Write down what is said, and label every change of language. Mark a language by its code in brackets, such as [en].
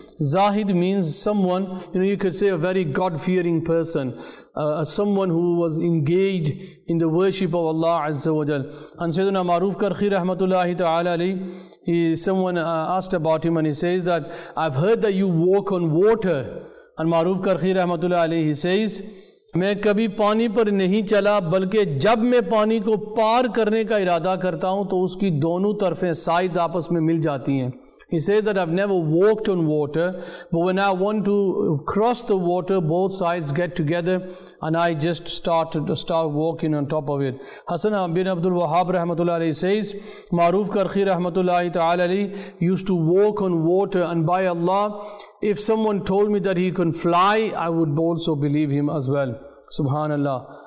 [en] Zahid means someone, you know, you could say a very God-fearing person, someone who was engaged in the worship of Allah Azza wa Jal. And Sayyiduna Ma'ruf Karkhi Rahmatullah Ta'ala Alayhi, someone asked about him and he says that, "I've heard that you walk on water." And Ma'ruf Karkhi Rahmatullah Alayhi says, [ur] میں کبھی پانی پر نہیں چلا بلکہ جب میں پانی کو پار کرنے کا ارادہ کرتا ہوں تو اس کی دونوں طرفیں سائڈز آپس میں مل جاتی ہیں. [en] He says that I've never walked on water, but when I want to cross the water, both sides get together and I just start walking on top of it. Hasan bin Abdul Wahhab rahmatullah alayhi says, Maruf Karkhi rahmatullah ta'ala alayhi used to walk on water, and by Allah, if someone told me that he can fly, I would also believe him as well. Subhanallah.